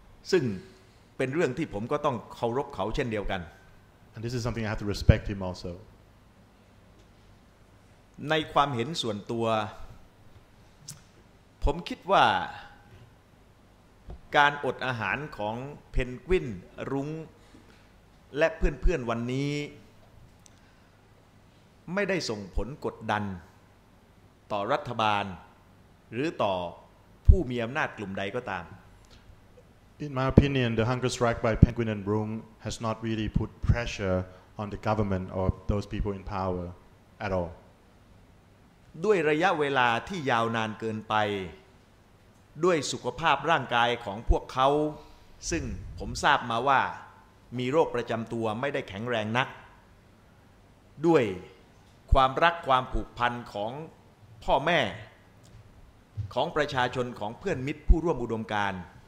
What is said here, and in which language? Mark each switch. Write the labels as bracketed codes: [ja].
[th] ซึ่งเป็นเรื่องที่ผมก็ต้องเคารพเขาเช่นเดียวกัน [en] And this is something I have to respect him also [th] ในความเห็นส่วนตัวผมคิดว่าการอดอาหารของเพนกวินรุ้งและเพื่อนๆวันนี้ไม่ได้ส่งผลกดดันต่อรัฐบาลหรือต่อผู้มีอำนาจกลุ่มใดก็ตาม [en] In my opinion the hunger strike by Penguin and Rung has not really put pressure on the government or those people in power at all [th] ด้วยระยะเวลาที่ยาวนานเกินไปด้วยสุขภาพร่างกายของพวกเขาซึ่งผมทราบมาว่ามีโรคประจำตัวไม่ได้แข็งแรงนักด้วยความรักความผูกพันของพ่อแม่ของประชาชนของเพื่อนมิตรผู้ร่วมอุดมการณ์